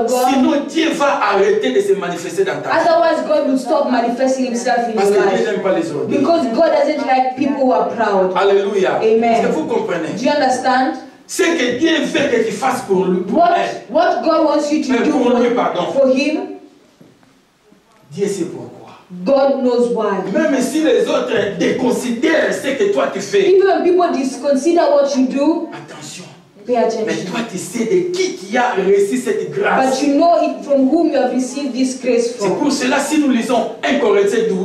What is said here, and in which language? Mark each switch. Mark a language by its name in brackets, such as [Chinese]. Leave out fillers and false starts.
[French] Sinon Dieu va arrêter de se manifester dans ta vie. [English] Otherwise God will stop manifesting himself in your life. [French] Parce que Dieu n'aime pas les autres. [English] Because God doesn't like people who are proud. [French] Alléluia. Amen. Est-ce que vous comprenez? [English] Do you understand? [French] C'est que Dieu veut que tu fasses pour lui. [English] What God wants you to [French] mais [English] do [French] pour lui, pardon. [English] For him. [French] Dieu sait pourquoi. [English] God knows why. [French] Même si les autres déconsidèrent ce que toi tu fais. [English] Even people disconsider what you do. [French] Attention. [English] Pay attention. [French] Mais toi tu sais de qui tu as reçu cette grâce. [English] But you know it from whom you have received this grace from. [French] C'est pour cela si nous lisons 1 Corinthiens 12.